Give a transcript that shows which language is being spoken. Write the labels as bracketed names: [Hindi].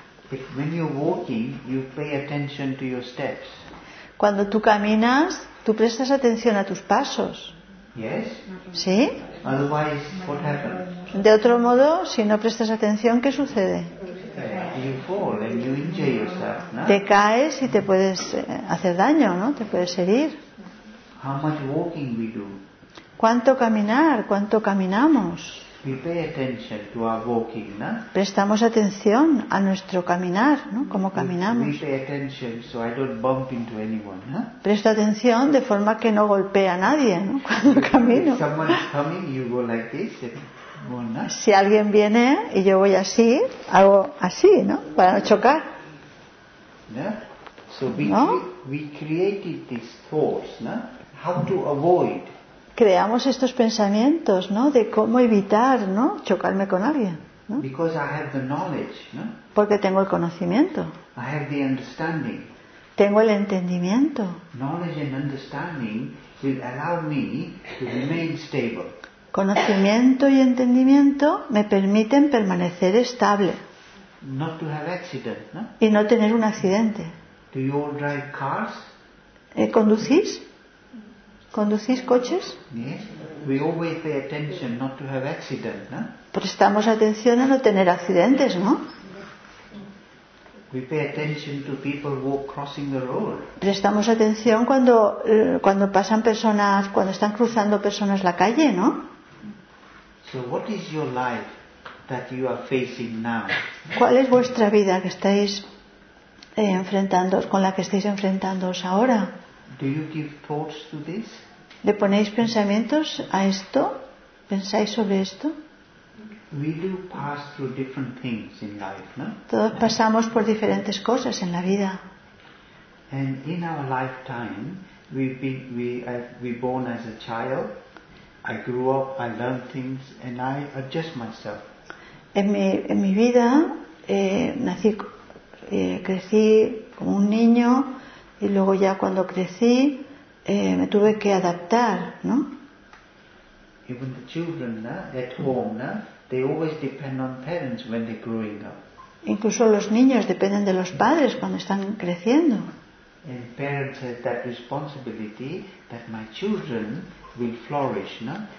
[English] If when you're walking, you pay attention to your steps. [Spanish] Cuando tú caminas, tú prestas atención a tus pasos. [English] Yes. [Spanish] Sí. [English] Otherwise, what happens? [Spanish] De otro modo, si no prestas atención, ¿qué sucede? [English] You fall and you injure yourself, no? [Spanish] Te caes y te puedes hacer daño, ¿no? Te puedes herir. [English] How much walking we do? [Spanish] ¿Cuánto caminar? ¿Cuánto caminamos? [English] We pay attention to our walking, no? [Spanish] Prestamos atención a nuestro caminar, ¿no? ¿Cómo caminamos? [English] We pay attention so I don't bump into anyone, no? [Spanish] Presto atención de forma que no golpee a nadie, ¿no? Cuando camino. [English] If someone is coming, you go like this and go, no? [Spanish] Si alguien viene y yo voy así, hago así, ¿no? Para no chocar. [English] Yeah? So we created these thoughts, no? How to avoid. [Spanish] Creamos estos pensamientos, ¿no? De cómo evitar, ¿no? Chocarme con alguien, ¿no? [English] Because I have the knowledge, ¿no? [Spanish] Porque tengo el conocimiento. [English] I have the understanding. [Spanish] Tengo el entendimiento. [English] Knowledge and understanding will allow me to remain stable. [Spanish] Conocimiento y entendimiento me permiten permanecer estable. [English] Not to have accident, ¿no? [Spanish] Y no tener un accidente. [English] Do you all drive cars? [Spanish] ¿Conducís? ¿Conducís coches? [English] Yes. We always pay attention not to have accident, no? [Spanish] Prestamos atención a no tener accidentes, ¿no? [English] We pay attention to people walk crossing the road. [Spanish] Prestamos atención cuando pasan personas, cuando están cruzando personas la calle, ¿no? [English] So what is your life that you are facing now? [Spanish] ¿Cuál es vuestra vida que estáis con la que estáis enfrentándoos ahora? [English] Do you give thoughts to this? [Spanish] ¿Le ponéis pensamientos a esto? ¿Pensáis sobre esto? [English] We do pass through different things in life, no? [Spanish] Todos pasamos por diferentes cosas en la vida. [English] And in our lifetime, we've been born as a child. I grew up, I learned things, and I adjust myself. [Spanish] En mi vida, nací, crecí como un niño. Y luego ya cuando crecí, me tuve que adaptar, ¿no? [English] Even the children, at home, they always depend on parents when they're growing up. [Spanish] Incluso los niños dependen de los padres cuando están creciendo. [English] And parents have that responsibility that my children will flourish, ¿no?